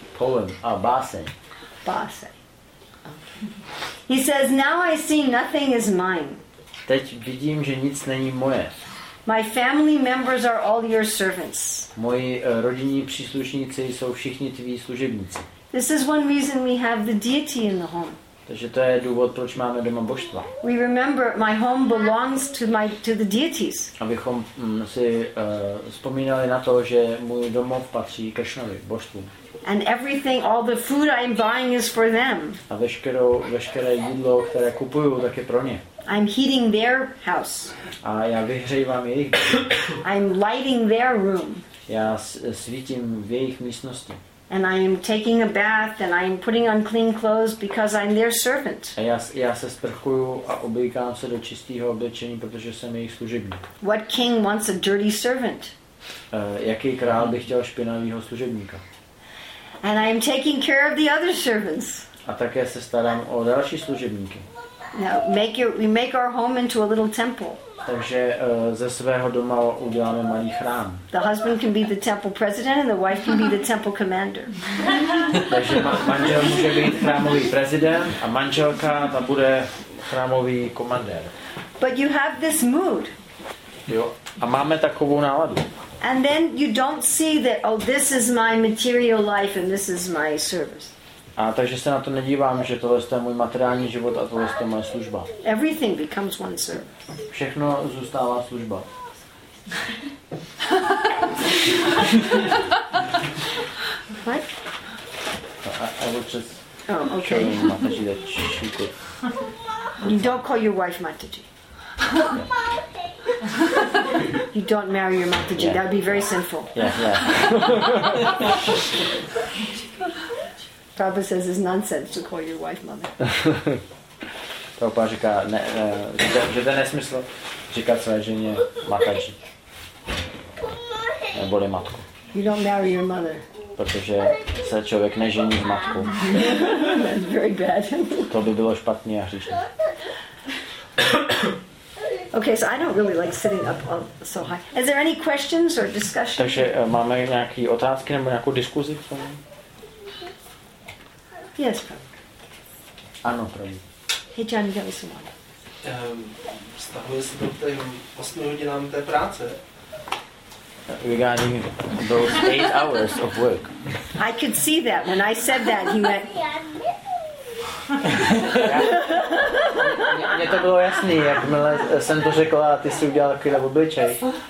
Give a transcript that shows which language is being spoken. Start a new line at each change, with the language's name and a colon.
English: Poem.
Czech: Báseň. Báseň.
English: He says, "Now I see nothing is mine."
Czech: Teď vidím, že nic není moje.
English: My family members are all your servants.
Czech: Moji rodinní příslušníci jsou všichni tví služebníci.
English: This is one reason we have the deity in the home.
Czech: Takže to je důvod, proč máme doma božstva.
English: We remember my home belongs to my to the deities.
Czech: Abychom si vzpomínali na to, že můj domov patří Krishnovi, božstvu.
English: And everything, all the food I'm buying is for them.
Czech: A veškeré jídlo, které kupuju, tak je pro ně.
English: I'm heating their house.
Czech: A já vyhřívám jejich.
English: I'm lighting their room.
Czech: Já svítím v jejich místnosti.
English: And I am taking a bath and I am putting on clean clothes because I'm their servant.
Czech: A já se sprchuju a oblíkám se do čistého oblečení, protože jsem jejich služebník.
English: What king wants a dirty servant?
Czech: Jaký král by chtěl špinavého služebníka?
English: And I am taking care of the other servants.
Czech: A také se starám o další služebníky.
English: Now we make our home into a little temple.
Czech: Takže ze svého doma uděláme malý chrám.
English: The husband can be the temple president and the wife can be the temple commander.
Czech: Takže manžel může být chrámový prezident a manželka ta bude chrámový komandér.
English: But you have this mood.
Czech: Jo, a máme takovou náladu.
English: And then you don't see that oh this is my material life and this is my service.
Czech: A takže se na to nedívám, že tohle je můj materiální život a tohle je moje služba.
English: Everything becomes one service.
Czech: Všechno zůstává služba.
English: What? I will just show you Mataji that she could. You don't call your wife Mataji. You don't marry your Mataji. Yeah. That would be very sinful. Yeah. Prabhupada says it's nonsense to call your wife mother.
Czech: Prabhupada říká, že to je nesmysl říkat své ženě Mataji. Neboli matku.
English: You don't marry your mother.
Czech: Protože se člověk nežení s matkou.
English: That's very bad.
Czech: To by bylo špatné a hříšné.
English: Okay, so I don't really like sitting up so high. Is there any questions or discussion?
Czech: Takže máme nějaký otázky nebo nějakou diskuzi?
English: Yes, probably.
Czech: Ano,
English: probably. Hey, Johnny, get me some water.
Czech: Vztahuje se to k těm 8 hodinám té práce.
English: Regarding those 8 hours of work. I could see that when I said that, he went...
Czech: Mně to bylo jasný, jakmile jsem to řekla, ty jsi udělal takovýhle obličej.